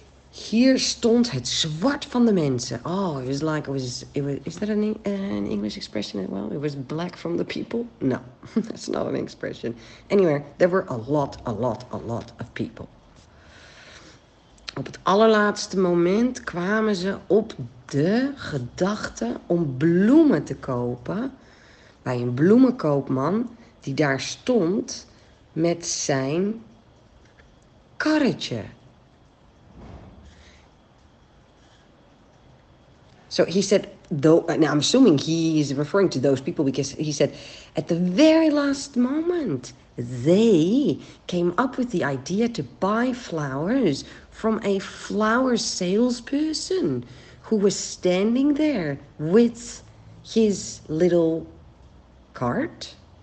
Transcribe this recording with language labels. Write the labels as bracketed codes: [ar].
[nl] Hier stond het zwart van de mensen. [en] Oh, it was, is that an English expression as well? It was black from the people? No, that's not an expression. Anyway, there were a lot of people. [nl] Op het allerlaatste moment kwamen ze op de gedachte om bloemen te kopen bij een bloemenkoopman die daar stond met zijn karretje. [en] So he said, though, and I'm assuming he is referring to those people because he said, at the very last moment, they came up with the idea to buy flowers from a flower salesperson who was standing there with his little cart.